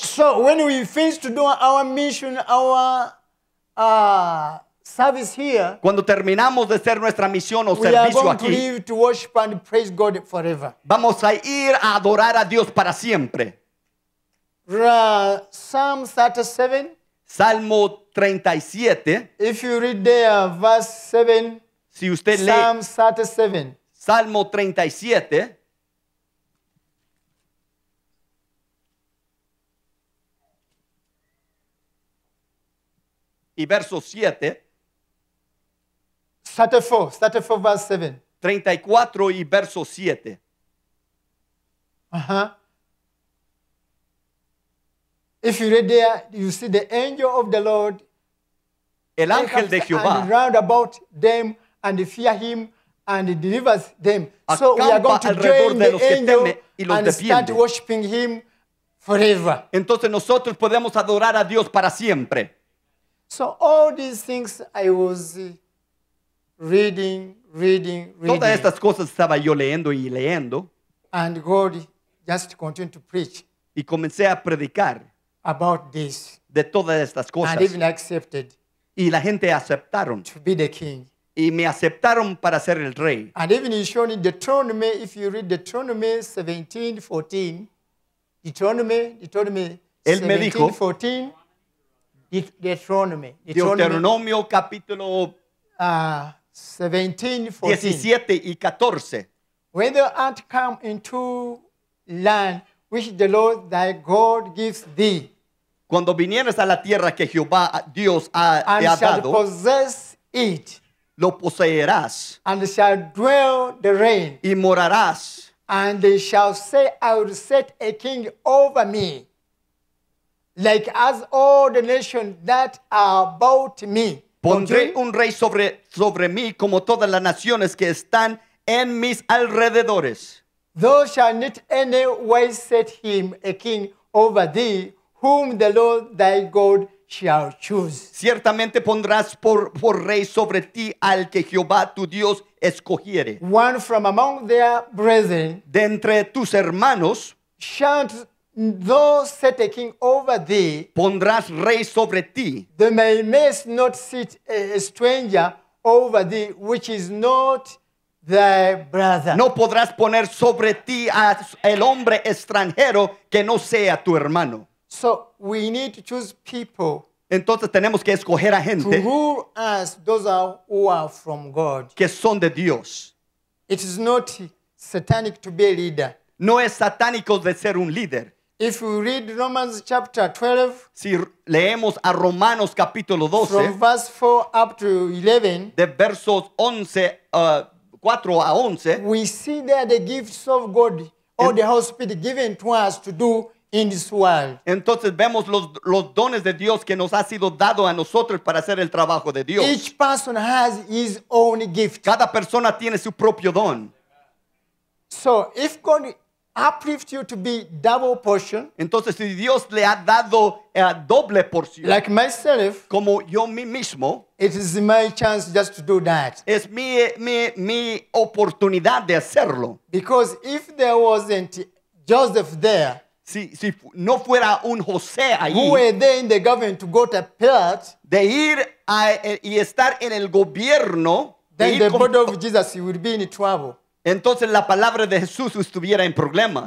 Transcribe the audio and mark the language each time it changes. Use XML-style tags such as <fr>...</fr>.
<en>So when we finish to do our mission, our service here.</en> <es>Cuando terminamos de hacer nuestra misión o servicio aquí.</es> <en>We are going to live to worship and praise God forever.</en> <es>Vamos a ir a adorar a Dios para siempre.</es> <en>Psalm 37.</en> <es>Salmo 37.</es> <en>If you read there, verse 7.</en> <es>Si usted</es> <en>Psalm</en> <es>lee.</es> <en>Psalm 37.</en> <es>Salmo 37. Y verso 7.</es> <en>34, verse 7.</en> <es>34 y verso 7. Ajá.</es> <en>If you read there, you see the angel of the Lord.</en> <es>El ángel de Jehová.</es> <en>And round about them and fear him and delivers them. So we are going to join the angel and start worshiping him forever.</en> <es>Entonces nosotros podemos adorar a Dios para siempre.</es> <en>So all these things I was reading.</en> <es>Todas estas cosas estaba yo leyendo y leyendo.</es> <en>And God just continued to preach.</en> <es>Y comencé a predicar.</es> <en>About this.</en> <es>De todas estas cosas.</es> <en>And even accepted.</en> <es>Y la gente aceptaron.</es> <en>To be the king.</en> <es>Y me aceptaron para ser el rey.</es> <en>And even he showed in Deuteronomy, if you read Deuteronomy 17, 14. Deuteronomy 17, 14. Deuteronomio</en> <es>capítulo 17 y 14.</es> <en>When thou art come into land which the Lord thy God gives thee.</en> <es>Cuando vinieres a la tierra que Jehová Dios te ha dado.</es> <en>And shall possess it.</en> <es>Lo poseerás.</es> <en>And shall dwell the reign.</en> <es>Y morarás.</es> <en>And they shall say, I will set a king over me. Like as all the nations that are about me.</en> <es>Pondré un rey sobre mí como todas las naciones que están en mis alrededores.</es> <en>Thou shalt not any wise set him a king over thee, whom the Lord thy God shall choose.</en> <es>Ciertamente pondrás por rey sobre ti al que Jehová tu Dios escogiere.</es> <en>One from among their brethren.</en> <es>De entre tus hermanos.</es> <en>Shalt thou set a king over thee.</en> <es>Pondrás rey sobre ti.</es> <en>Thou mayest not sit a stranger over thee, which is not thy brother.</en> <es>No podrás poner sobre ti a el hombre extranjero que no sea tu hermano.</es> <en>So we need to choose people.</en> <es>Entonces tenemos que escoger a gente.</es> <en>To rule us, those are who are from God.</en> <es>Que son de Dios.</es> <en>It is not satanic to be a leader.</en> <es>No es satánico de ser un líder.</es> <en>If we read Romans chapter 12.</en> <es>Si leemos a Romanos capítulo 12.</es> <en>From verse 4 up to 11.</en> <es>De versos 11, 4 a 11.</es> <en>We see there the gifts of God. Or the Holy Spirit given to us to do in this world.</en> <es>Entonces vemos los dones de Dios que nos ha sido dado a nosotros para hacer el trabajo de Dios.</es> <en>Each person has his own gift.</en> <es>Cada persona tiene su propio don.</es> <en>So if God uplift you to be double portion.</en> <es>Entonces si Dios le ha dado doble porción.</es> <en>Like myself.</en> <es>Como yo mismo.</es> <en>It is my chance just to do that.</en> <es>Es mi oportunidad de hacerlo.</es> <en>Because if there wasn't Joseph there.</en> <es>Si no fuera un José allí.</es> <en>Who were there in the government to go to Pilate.</en> <es>De ir a, y estar en el gobierno.</es> <en>Then the body of Jesus would be in trouble.</en> <es>Entonces la palabra de Jesús estuviera en problema.</es>